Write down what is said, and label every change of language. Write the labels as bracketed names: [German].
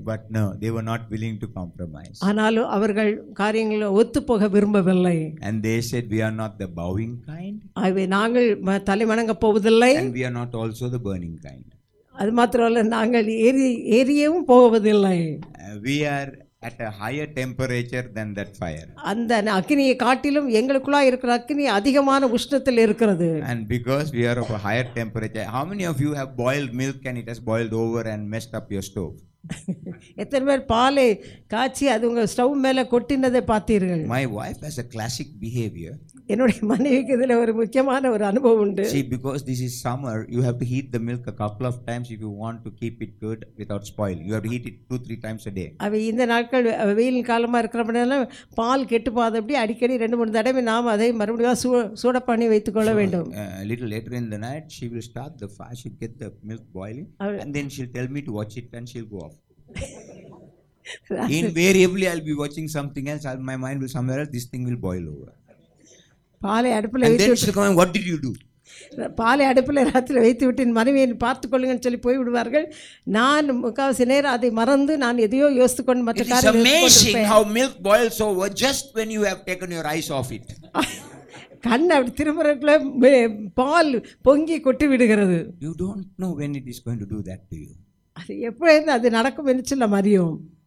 [English] But no, they were not willing to compromise. [Tamil] ஆனாலும் அவர்கள் காரியங்களை ஒத்து போக விரும்பவில்லை. [English] And they said, we are not the bowing kind. [Tamil] அவை நாங்கள் தலை வணங்க போவதில்லை. [English] And we are not also the burning kind. [Tamil] அது மாத்திரமல்ல நாங்கள் எரியவும் போவதில்லை. [English] We are at a higher temperature than that fire. [Tamil] அந்த அக்கினியை காட்டிலும் எங்களுக்குள்ள இருக்கிற அக்கினி அதிகமான உஷ்ணத்தில் இருக்கிறது. [English] And because we are of a higher temperature, how many of you have boiled milk and it has boiled over and messed up your stove? [Tamil] எத்தனை பேர் பாலை காய்ச்சி அது உங்க ஸ்டவ் மேல கொட்டினதை பார்த்தீர்கள்? [English] My wife has a classic behavior. [Tamil] என்னுடைய மனைவிக்கு இதுல ஒரு முக்கியமான ஒரு அனுபவம் உண்டு. [English] See, because this is summer, you have to heat the milk a couple of times if you want to keep it good without spoiling. You have to heat it 2-3 times a day. [Tamil] அவ இந்த நாட்கள் வெயில் காலமா இருக்கறப்பனால பால் கெட்டு போகாத அப்படி அடிக்கடி 2-3 தடவை நாம் அதை மறுபடியும் சூட பண்ணி வைத்துக் கொள்ள வேண்டும். [English] A little later in the night, she will start the fire, she'll get the milk boiling, and then she'll tell me to watch it and she'll go off. Invariably, I'll be watching something else. My mind will somewhere else. This thing will boil over. [Tamil] பாலை அடுப்பில் வைத்து, [English] what did you do? [Tamil] பாலை அடுப்பில் ராத்திரி வைத்து விட்டு என் மனைவி என்னை பார்த்துக் கொள்ளுங்கன்னு சொல்லி போய்விடுவார்கள். நான் முக்காவசி நேரம் அதை மறந்து நான் எதையோ யோசித்துக் கொண்டு மற்ற காரியம். [English] It's amazing how milk boils over just when you have taken your eyes off it. [Tamil] கண் அப்படி திரும்பறதுக்குள்ள பால் பொங்கி கொட்டி விடுகிறது. [English] You don't know when it is going to do that to you. [Tamil] அது எப்பொழுது அது நடக்கும் என்று சொல்ல மறியும்.